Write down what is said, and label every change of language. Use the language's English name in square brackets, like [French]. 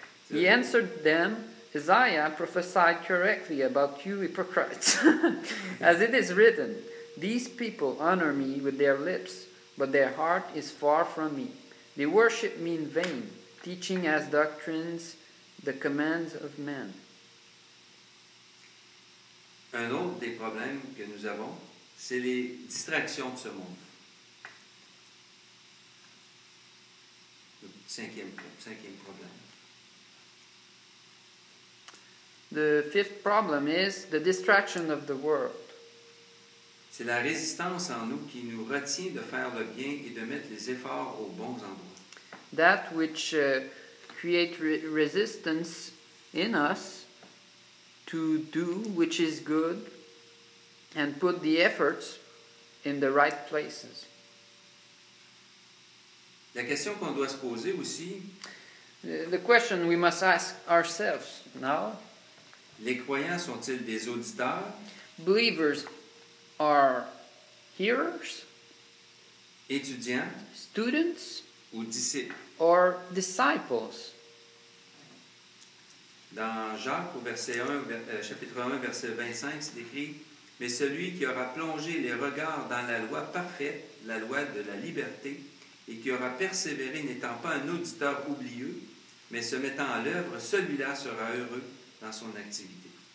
[English] He answered them, Isaiah prophesied correctly about you hypocrites. As it is written, these people honor me with their lips, but their heart is far from me. They worship me in vain, teaching as doctrines the commands of men. [French] Un autre des problèmes que nous avons, c'est les distractions de ce monde. Cinquième problème. [English] The fifth problem is the distraction of the world. [French] C'est la résistance en nous qui nous retient de faire le bien et de mettre les efforts aux bons endroits. [English] That which creates resistance in us to do which is good and put the efforts in the right places. [French] La question qu'on doit se poser aussi. [English] The question we must ask ourselves now. [French] Les croyants sont-ils des auditeurs? [English] Believers are hearers. [French] Étudiants. [English] Students. [French] Ou disciples. [English] Or disciples. [French] Dans Jacques, chapitre 1, verset 25, c'est écrit: Mais celui qui aura plongé les regards dans la loi parfaite, la loi de la liberté, et qui aura persévéré n'étant pas un auditeur oublieux, mais se mettant à l'œuvre, celui-là sera heureux dans son activité.